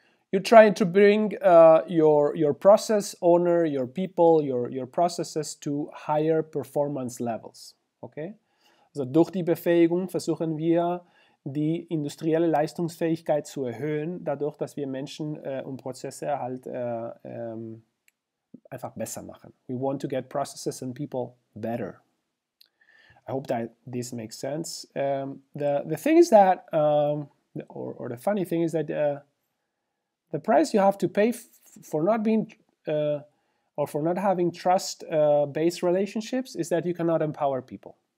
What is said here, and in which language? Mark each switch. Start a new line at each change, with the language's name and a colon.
English: You're trying to bring your process owner, your people, your processes to higher performance levels. Okay.
German: Also durch die Befähigung versuchen wir, die industrielle Leistungsfähigkeit zu erhöhen, dadurch, dass wir Menschen und Prozesse halt einfach besser machen.
English: We want to get processes and people better. I hope that this makes sense. The thing is that, or the funny thing is that the price you have to pay for not being, or for not having trust-based relationships is that you cannot empower people.